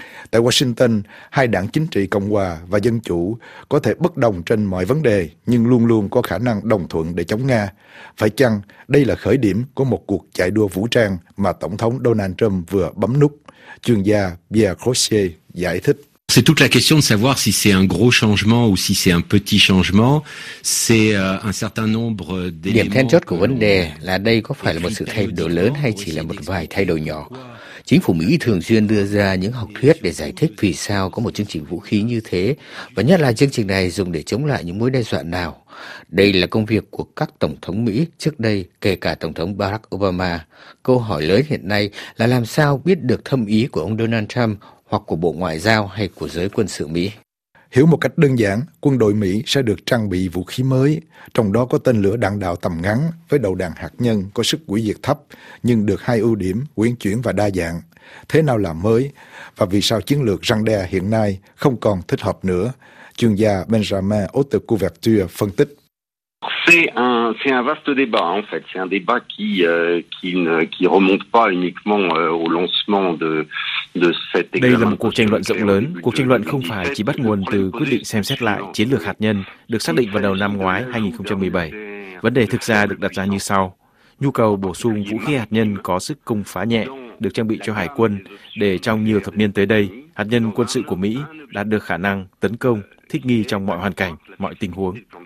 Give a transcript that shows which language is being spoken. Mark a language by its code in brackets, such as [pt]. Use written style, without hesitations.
[vi] Tại Washington, hai đảng chính trị Cộng hòa và Dân chủ có thể bất đồng trên mọi vấn đề nhưng luôn luôn có khả năng đồng thuận để chống Nga. Phải chăng đây là khởi điểm của một cuộc chạy đua vũ trang mà Tổng thống Donald Trump vừa bấm nút? Chuyên gia Pierre Crochet giải thích. [fr] C'est toute la question de savoir si c'est un gros changement ou si c'est un petit changement. C'est un certain nombre d'éléments. [vi] Điểm then chốt của vấn đề là đây có phải là một sự thay đổi lớn hay chỉ là một vài thay đổi nhỏ. Chính phủ Mỹ thường xuyên đưa ra những học thuyết để giải thích vì sao có một chương trình vũ khí như thế, và nhất là chương trình này dùng để chống lại những mối đe dọa nào. Đây là công việc của các tổng thống Mỹ trước đây, kể cả tổng thống Barack Obama. Câu hỏi lớn hiện nay là làm sao biết được thâm ý của ông Donald Trump hoặc của Bộ Ngoại giao hay của giới quân sự Mỹ. Hiểu một cách đơn giản, quân đội Mỹ sẽ được trang bị vũ khí mới, trong đó có tên lửa đạn đạo tầm ngắn với đầu đạn hạt nhân có sức hủy diệt thấp, nhưng được hai ưu điểm, uyển chuyển và đa dạng. Thế nào là mới? Và vì sao chiến lược răn đe hiện nay không còn thích hợp nữa? Chuyên gia Benjamin Haute-Couverture phân tích. [fr] C'est un vaste débat en fait, c'est un débat qui remonte pas uniquement au lancement de cette guerre. [vi] Đây là một cuộc tranh luận rộng lớn, cuộc tranh luận không phải chỉ bắt nguồn từ quyết định xem xét lại chiến lược hạt nhân được xác định vào đầu năm ngoái 2017. Vấn đề thực ra được đặt ra như sau: nhu cầu bổ sung vũ khí hạt nhân có sức công phá nhẹ được trang bị cho hải quân để trong nhiều thập niên tới đây, hạt nhân quân sự của Mỹ đạt được khả năng tấn công thích nghi trong mọi hoàn cảnh, mọi tình huống.